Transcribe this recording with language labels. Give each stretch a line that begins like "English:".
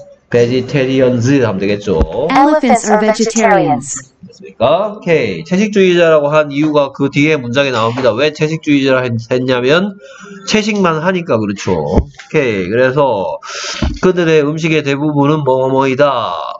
Korean: Vegetarians 하면 되겠죠?
English: Elephants are vegetarians.
Korean: 맞습니까? 오케이. 채식주의자라고 한 이유가 그 뒤에 문장에 나옵니다. 왜 채식주의자라 했냐면 채식만 하니까 그렇죠. 오케이. 그래서 그들의 음식의 대부분은 뭐뭐이다.